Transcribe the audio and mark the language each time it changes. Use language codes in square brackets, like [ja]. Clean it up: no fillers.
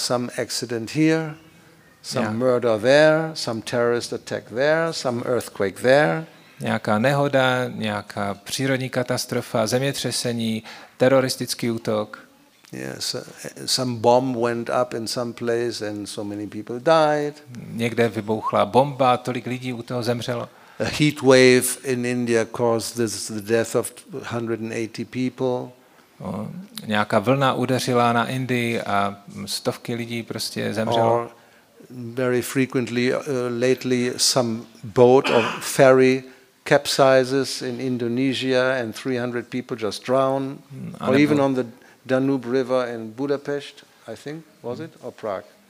[en] Some accident here, some murder there, some terrorist attack there, some earthquake there. [cs] Nějaká nehoda, nějaká přírodní katastrofa, zemětřesení, teroristický útok. [en] Yes, some bomb went up in some place and so many people died. [cs] Někde vybouchla bomba, tolik lidí u toho zemřelo. [en] A heat wave in India caused the death of 180 people. [cs] Nějaká vlna udeřila na Indii a stovky lidí prostě zemřelo. [en] Or very frequently lately some boat or ferry capsizes in Indonesia and 300 people just drown. Or even on the Danube River in Budapest, I think, was it, or Prague?